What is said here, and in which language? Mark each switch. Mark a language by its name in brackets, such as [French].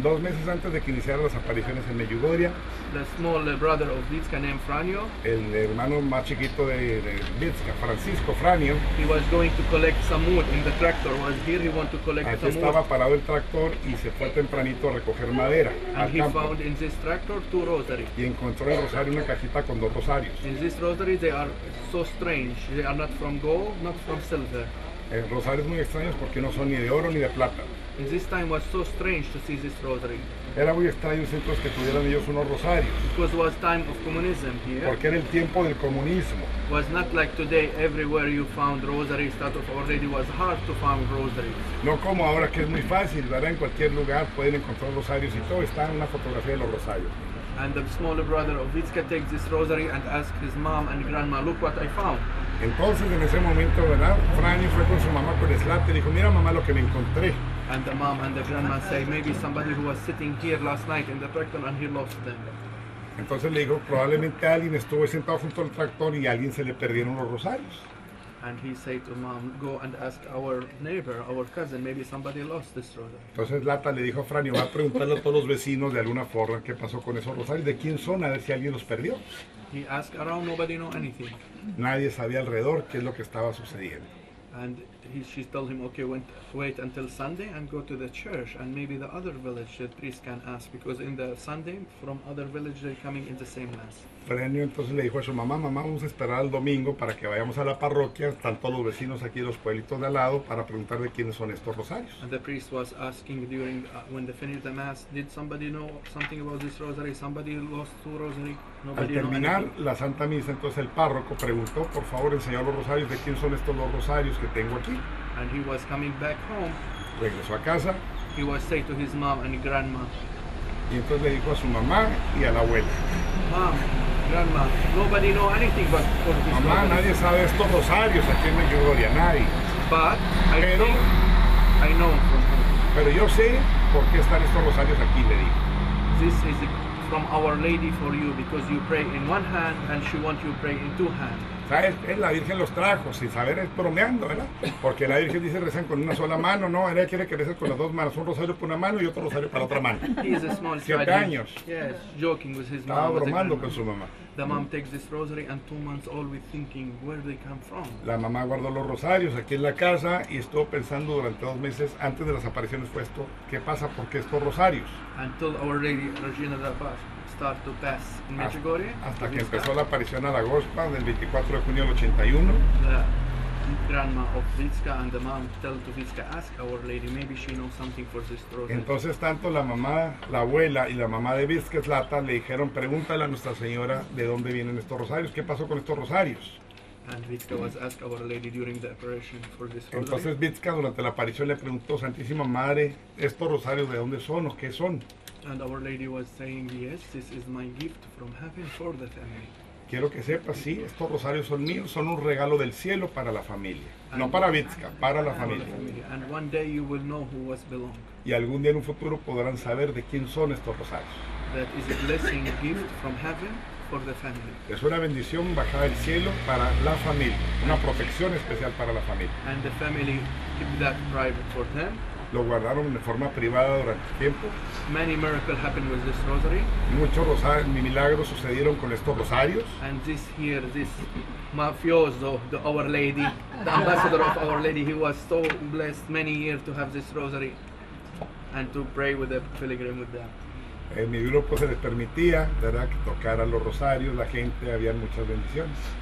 [Spanish] 2 meses antes de que iniciaran las apariciones en Medjugorje. [English] The small brother of Vizca named Franio. [Spanish] El hermano más chiquito de Vizca, Francisco Franio. [English] He was going to collect some wood in the tractor. Was here. He want to collect [Spanish] allí [English] some wood. [Spanish] Estaba parado el tractor y se fue tempranito a recoger madera. [English] And [Spanish] al [English] he [Spanish] campo. [English] Found in this tractor 2 rosaries. [Spanish] Y encontró el rosario en una cajita con 2 rosarios. [English] In this rosary they are so strange. They are not from gold, not from silver. [Spanish] Rosarios muy extraños porque no son ni de oro ni de plata. [English] And this time was so strange to see this rosary. [Spanish] Era muy extraño entonces que tuvieran ellos unos rosarios. [English] Because it was time of communism here. [Spanish] Porque era el tiempo del comunismo. [English] It was not like today everywhere you found rosaries that already was hard to find rosaries. [Spanish] No como ahora que es muy fácil, ¿verdad? En cualquier lugar pueden encontrar rosarios y todo está en una fotografía de los rosarios. [English] And the smaller brother of Vitzka takes this rosary and asks his mom and grandma, look what I found. [Spanish] Entonces en ese momento, ¿verdad? Franny fue con su mamá con el slate y dijo, mira mamá lo que me encontré. [English] And the mom and the grandma say, maybe somebody who was sitting here last night in the tractor and he lost them. [Spanish] Entonces le dijo, probablemente alguien estuvo sentado junto al tractor y alguien se le perdieron los rosarios. [English] And he said to mom, go and ask our neighbor, our cousin, maybe somebody lost this rosary. [Spanish] Entonces Lata le dijo a Franny, va a preguntarle a todos los vecinos de alguna forma qué pasó con esos rosarios, de quién son, a ver si alguien los perdió. [English] He asked around, nobody knew anything. [Spanish] Nadie sabía alrededor qué es lo que estaba sucediendo. [English] And she told him, okay, wait until Sunday and go to the church and maybe the other village the priest can ask because in the Sunday from other village they're coming in the same mass. [Spanish] Franny entonces le dijo a su mamá, mamá, vamos a esperar al domingo para que vayamos a la parroquia, están todos los vecinos aquí los pueblitos de al lado para preguntar de quiénes son estos rosarios. [English] And the priest was asking during, when they finished the mass, did somebody know something about this rosary? Somebody lost two rosary? [Spanish] Al terminar la Santa Misa, entonces el párroco preguntó, por favor, enseñar los rosarios, de quién son estos dos rosarios que tengo aquí. [English] And he was coming back home. [Spanish] Regresó a casa. [English] He was saying to his mom and grandma. [Spanish] Y entonces le dijo a su mamá y a la abuela. [English] Mom, grandma, nobody know anything but for this [Spanish] mamá, [English] rosary. [Spanish] Nadie sabe estos rosarios, aquí en Medjugorje, nadie. [English] But pero, I know. [Spanish] Pero yo sé por qué están estos rosarios aquí, le dijo. [English] This is from Our Lady for you, because you pray in one hand and she wants you to pray in two hands. [Spanish] ¿Sabes? Es la Virgen los trajo, sin saber, es bromeando, ¿verdad? Porque la Virgen dice rezan con una sola mano, no, ella quiere que rezan con las dos manos, un rosario para una mano y otro rosario para otra mano. [English] He is a small child. [Spanish] 7 años. [English] Yes, joking with his [Spanish] mom. Estaba bromando con su mamá. [English] The mom takes this rosary and 2 months always thinking where they come from. [Spanish] La mamá guardó los rosarios aquí en la casa y estuvo pensando durante 2 meses antes de las apariciones fue esto, ¿qué pasa? ¿Por qué estos rosarios? [English] Until Our Lady Regina da Paz start to pass in Medjugorje. [Spanish] Hasta que empezó la aparición a la Gospa del 24 de junio del 81. [English] Grandma of Vitzka and the mom tell to Vitzka, ask Our Lady, maybe she knows something for this rosary. [Spanish] Entonces tanto la mamá, la abuela y la mamá de Vitzka Zlata le dijeron, pregúntale a Nuestra Señora de dónde vienen estos rosarios, qué pasó con estos rosarios. [English] And Vitzka was asked Our Lady during the apparition for this rosary. [Spanish] Entonces Vitzka durante la aparición le preguntó, Santísima Madre, estos rosarios de dónde son o qué son. [English] And Our Lady was saying, yes, this is my gift from heaven for the family. [Spanish] Quiero que sepas, sí, estos rosarios son míos, son un regalo del cielo para la familia. [English] And [Spanish] no para Vitzka, para la familia. [English] And one day you will know who was belong. [Spanish] Y algún día en un futuro podrán saber de quién son estos rosarios. [English] That is a blessing gift from heaven for the family. [Spanish] Es una bendición bajada del cielo para la familia, una protección especial para la familia. [English] And the family keep that private for them. [Spanish] Lo guardaron de forma privada durante tiempo. [English] Many miracles happened with this rosary. [Spanish] Muchos milagros sucedieron con estos rosarios. [English] And this here, this mafioso, the Our Lady, the ambassador of Our Lady, he was so blessed many years to have this rosary and to pray with the pilgrim with them. [Spanish] En mi grupo se les permitía, ¿verdad?, que tocaran los rosarios, la gente, había muchas bendiciones.